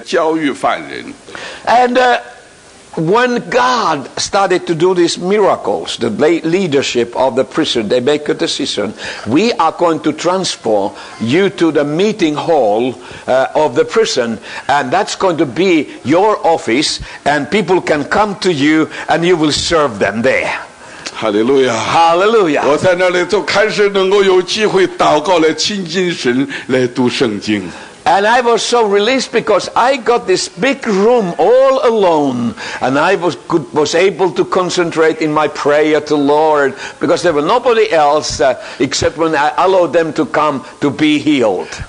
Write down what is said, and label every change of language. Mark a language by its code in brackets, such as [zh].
[zh] 牢里面那个活是很重的，很苦的。警察说：“我现在开始做出一个决定，我们要把你送到教育科里面去，你要负债来教育犯人。” [en] And when God started to do these miracles, the leadership of the prison, they make a decision: we are going to transfer you to the meeting hall of the prison, and that's going to be your office, and people can come to you, and you will serve them there. Hallelujah! Hallelujah! [zh] 我在那里就开始能够有机会祷告，来亲近神，来读圣经。 [en] And I was so released because I got this big room all alone, and I was able to concentrate in my prayer to Lord because there was nobody else except when I allowed them to come to be healed.